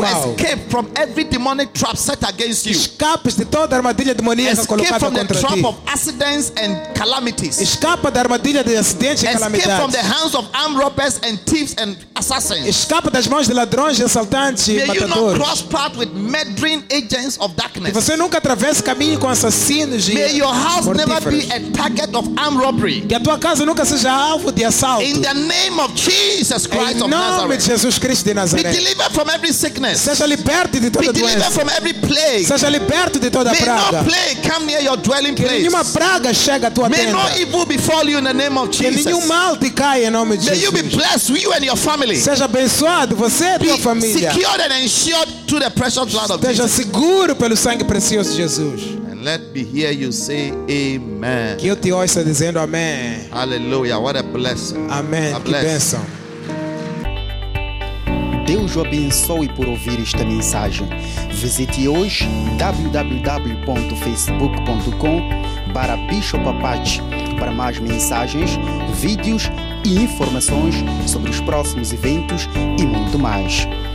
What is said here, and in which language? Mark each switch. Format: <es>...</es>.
<en>May you escape from every demonic trap set against you.</en> <pt>Escapes de toda a armadilha demoníaca colocada contra ti.</pt> <en>Escape from the trap of accidents and calamities.</en> <pt>Escapa da armadilha de acidentes e calamidades.</pt> <en>Escape from the hands of armed robbers and thieves and assassins.</en> <pt>Escapa das mãos de ladrões, assaltantes e matadores.</pt> <en>May you not cross paths with murdering agents of darkness.</en> <pt>Que você nunca atravesse caminho com assassinos.</pt> <en>May your house never be a target of armed robbery.</en> <pt>Que a tua casa nunca seja alvo de assalto.</pt> <en>In the name of Jesus Christ of Nazareth.</en> <pt>Em nome de Jesus Cristo de Nazaré.</pt> <en>Be delivered from every sickness.</en> <pt>Seja liberto de toda doença.</pt> <en>Be delivered from every plague.</en> <pt>Seja liberto de toda praga.</pt> <en>May no plague come near your dwelling place.</en> <pt>Que nenhuma praga chegue à tua tenda.</pt> <en>May no evil befall you in the name of Jesus.</en> <pt>Que nenhum mal te caia em nome de Jesus.</pt> <en>May you be blessed, you and your family.</en> <pt>Seja abençoado você e tua família.</pt> <en>Be secured and ensured through the precious blood of Jesus.</en> <pt>Seja seguro pelo sangue precioso de Jesus.</pt> <en>Let me hear you say amen.</en> <pt>Que eu te ouça dizendo amém.</pt> <en>Hallelujah, what a blessing.</en> <pt>Amém, que bênção. Deus o abençoe por ouvir esta mensagem. Visite hoje www.facebook.com/bishopapache para mais mensagens, vídeos e informações sobre os próximos eventos e muito mais.</pt>